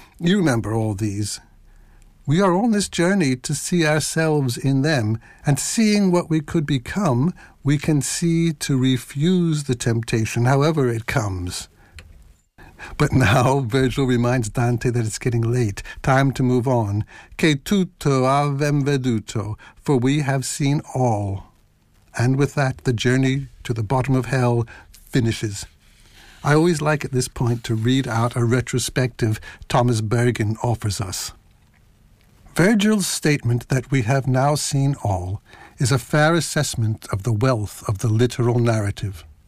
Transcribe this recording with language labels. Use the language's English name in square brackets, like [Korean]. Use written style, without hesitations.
[English] You remember all these. We are on this journey to see ourselves in them, and seeing what we could become, we can see to refuse the temptation, however it comes. But now Virgil reminds Dante that it's getting late, time to move on. [Italian] Che tutto avem veduto, [English] for we have seen all. And with that, the journey to the bottom of hell finishes. I always like at this point to read out a retrospective Thomas Bergen offers us. Virgil's statement that we have now seen all is a fair assessment of the wealth of the literal narrative.